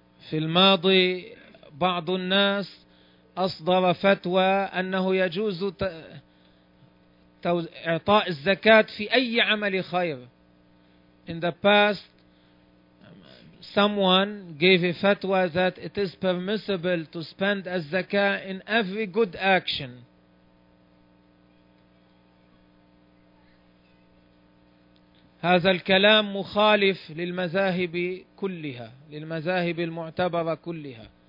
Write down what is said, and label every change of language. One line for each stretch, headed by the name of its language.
Arabic: في الماضي بعض الناس أصدر فتوى أنه يجوز إعطاء الزكاة في أي عمل خير.
English: In the past, someone gave a fatwa that it is permissible to spend a zakah in every good action.
Arabic: هذا الكلام مخالف للمذاهب كلها، للمذاهب المعتبرة كلها.